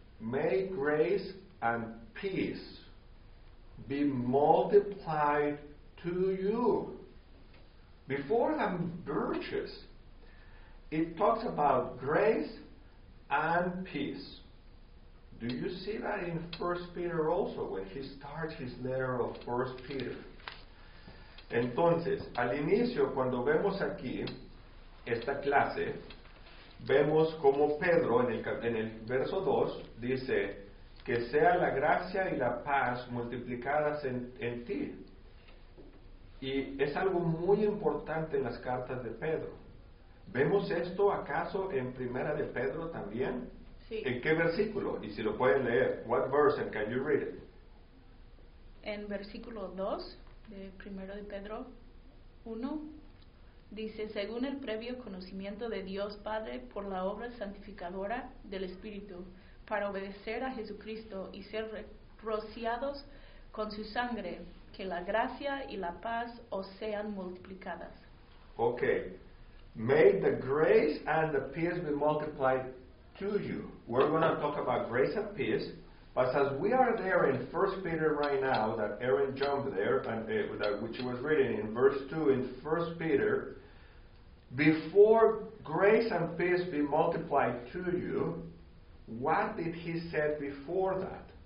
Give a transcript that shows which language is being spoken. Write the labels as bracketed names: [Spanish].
[English] May grace and peace be multiplied to you. Before them, virtues. It talks about grace and peace. Do you see that in 1 Peter also, when he starts his letter of 1 Peter? [Spanish] Entonces, al inicio, cuando vemos aquí esta clase, vemos como Pedro, en el verso 2, dice, que sea la gracia y la paz multiplicadas en ti. Y es algo muy importante en las cartas de Pedro. ¿Vemos esto acaso en Primera de Pedro también? Sí. ¿En qué versículo? Y si lo pueden leer, [English] what verse and can you read it? [Spanish] En versículo 2 de 1 de Pedro 1 dice, según el previo conocimiento de Dios Padre por la obra santificadora del Espíritu, para obedecer a Jesucristo y ser rociados con su sangre, que la gracia y la paz os sean multiplicadas. Okay. [English] May the grace and the peace be multiplied to you. We're going to talk about grace and peace, but as we are there in 1 Peter right now, that Aaron jumped there, and that which was written in verse 2 in 1 Peter, before grace and peace be multiplied to you, what did he say before that?